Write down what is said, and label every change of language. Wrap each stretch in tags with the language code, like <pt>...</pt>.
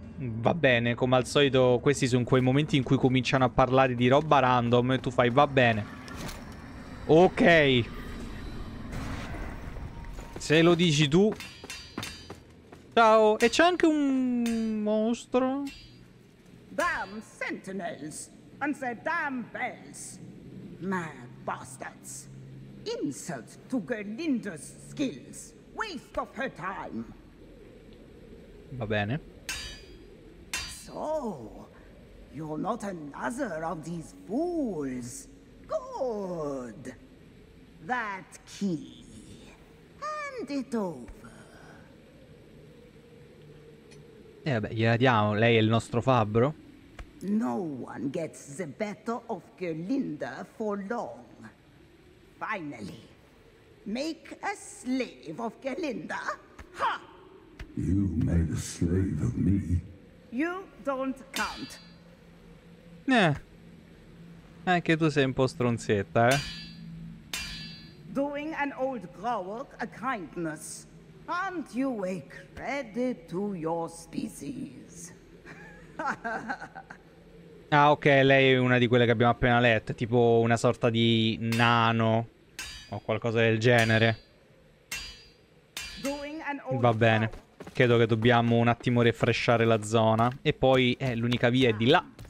<it>Va bene, come al solito questi sono quei momenti in cui cominciano a parlare di roba random e tu fai va bene. Ok. Se lo dici tu. Ciao, e c'è anche un mostro.</it> <en>Damn sentinels and the damn bells. Mad bastards. Insult to Gerlinda's skills. Waste of her time.</en> <it>Va bene.</it> <en>So, you're not another of these fools. Good. That key. Hand it over.</en> <it>E vabbè, gliela diamo. Lei è il nostro fabbro.</it> <en>No one gets the better of Gerlinda for long. Finally, make a slave of Gerlinda. Ha! You made a slave of me. You don't count.</en> <it>Anche tu sei un po' stronzetta, eh?</it> <en>Doing an old Grawok a kindness. Aren't you a credit to your species?</en> <it>Ah, ok, lei è una di quelle che abbiamo appena letto. Tipo una sorta di nano o qualcosa del genere.</it> <en>Doing an old</en> <it>Va bene. Credo che dobbiamo un attimo refreshare la zona. E poi l'unica via è di là.</it>